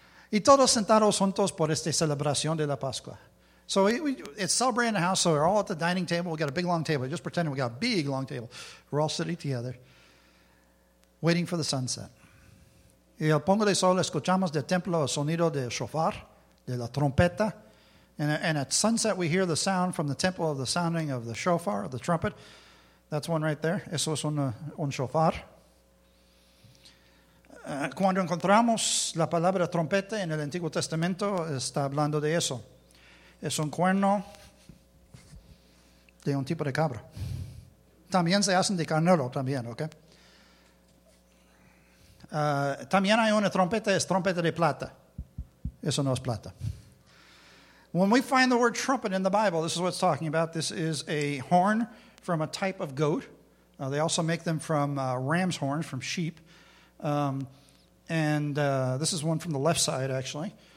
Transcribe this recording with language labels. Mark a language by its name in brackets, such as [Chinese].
[Spanish] Y todos sentados juntos por esta celebración de la Pascua. [English] So it's celebrating in the house, so we're all at the dining table. We've got a big, long table. Just pretending we've got a big, long table. We're all sitting together, waiting for the sunset. [Spanish] Y al pongo de sol, escuchamos del templo el sonido del shofar, de la trompeta. [English] And at sunset, we hear the sound from the temple of the sounding of the shofar, the trumpet. That's one right there. [Spanish] Eso es un shofar. Cuando encontramos la palabra trompeta en el Antiguo Testamento, está hablando de eso. Es un cuerno de un tipo de cabra. También se hacen de carnero, también, ¿ok? También hay una trompeta, es trompeta de plata. Eso no es plata. [English] When we find the word trumpet in the Bible, this is what it's talking about. This is a horn from a type of goat. They also make them from ram's horns, from sheep. This is one from the left side, actually.